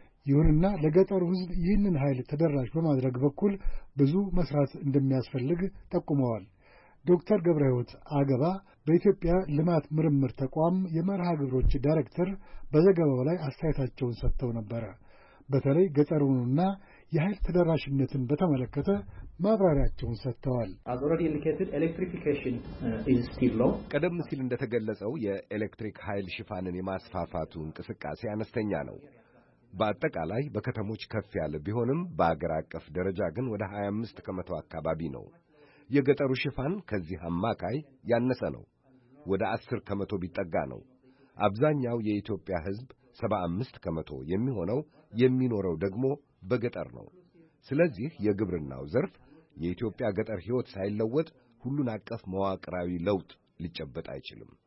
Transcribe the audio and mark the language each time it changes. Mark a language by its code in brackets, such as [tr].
[am] ይሁንና ለገጠሩ ሕዝብ ይህንን ኃይል ተደራሽ በማድረግ በኩል ብዙ መስራት እንደሚያስፈልግ ጠቁመዋል። ዶክተር ገብረህይወት አገባ በኢትዮጵያ ልማት ምርምር ተቋም የመርሃ ግብሮች ዳይሬክተር በዘገባው ላይ አስተያየታቸውን ሰጥተው ነበር። በተለይ ገጠሩንና የኃይል ተደራሽነትን በተመለከተ ማብራሪያቸውን ሰጥተዋል። [en] Already indicated electrification is still low. [am] ቀደም ሲል እንደተገለጸው የኤሌክትሪክ ኃይል ሽፋንን የማስፋፋቱ እንቅስቃሴ አነስተኛ ነው። በአጠቃላይ በከተሞች ከፍ ያለ ቢሆንም በአገር አቀፍ ደረጃ ግን ወደ 25 ከመቶ አካባቢ ነው። የገጠሩ ሽፋን ከዚህ አማካይ ያነሰ ነው። ወደ 10 ከመቶ ቢጠጋ ነው። አብዛኛው የኢትዮጵያ ሕዝብ 75 ከመቶ የሚሆነው የሚኖረው ደግሞ በገጠር ነው። ስለዚህ የግብርናው ዘርፍ የኢትዮጵያ ገጠር ሕይወት ሳይለወጥ ሁሉን አቀፍ መዋቅራዊ ለውጥ ሊጨበጥ አይችልም።